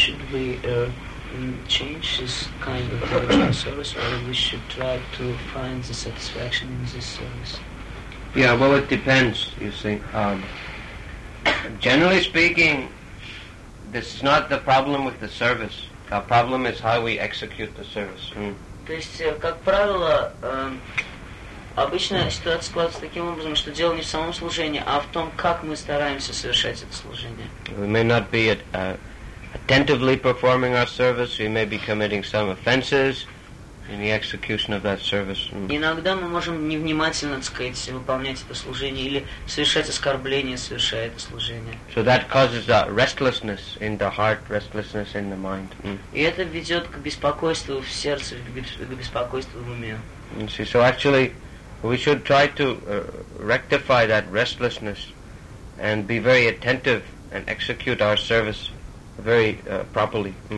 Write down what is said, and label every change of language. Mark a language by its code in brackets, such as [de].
[en] change this kind of devotional service, or we should try to find the satisfaction in this service? Yeah, well, it depends, you see. Generally speaking, this is not the problem with the service. The problem is how we execute the service. [ru] То есть, как правило, обычно ситуация складывается таким образом, что дело не в самом служении, а в том, как мы стараемся совершать это служение. [en] We may not be at attentively performing our service, we may be committing some offenses in the execution of that service. [ru] Иногда мы можем невнимательно, так сказать, выполнять это служение или совершать оскорбление, совершая это служение. [en] So that causes a restlessness in the heart, restlessness in the mind. [ru] И это ведет к беспокойству в сердце, к беспокойству в уме. [en] So actually, we should try to rectify that restlessness and be very attentive and execute our service very properly.